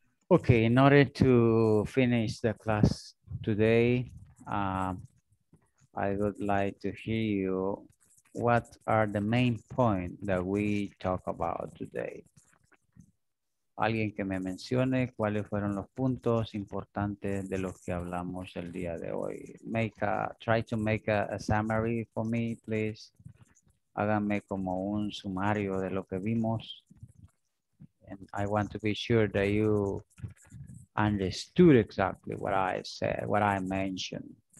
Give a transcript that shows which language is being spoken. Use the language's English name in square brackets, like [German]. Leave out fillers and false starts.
[English] Okay, in order to finish the class today, I would like to hear you. What are the main points that we talk about today? [Spanish] Alguien que me mencione cuáles fueron los puntos importantes de los que hablamos el día de hoy. [English] Try to make a summary for me, please. [Spanish] Háganme como un sumario de lo que vimos. [English] And I want to be sure that you understood exactly what I said, what I mentioned.